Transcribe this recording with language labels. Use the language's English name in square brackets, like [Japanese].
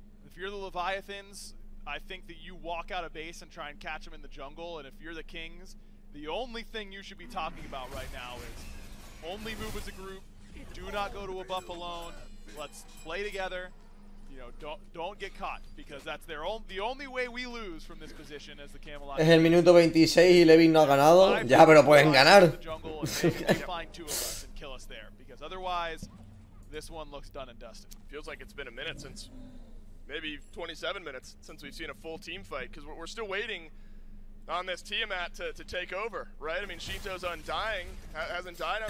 [English] If you're the Leviathans, I think that you walk out of base and try and catch them in the jungle, and if you're the Kings, the only thing you should be talking about right now is only move as a group. Do not go to a buff alone. Let's play together. You know, don't get caught, because that's the only way we lose from this position as the Camelot. [Spanish] Es el minuto 26 y Levin no ha ganado. Ya, pero pueden ganar. [English] Find two of us and kill us there, because otherwise this one looks done and dusted. Feels like it's been a minute since, maybe 27 minutes since we've seen a full team fight, because we're still waiting on this Tiamat to take over, right? I mean, Shinto's undying, hasn't died on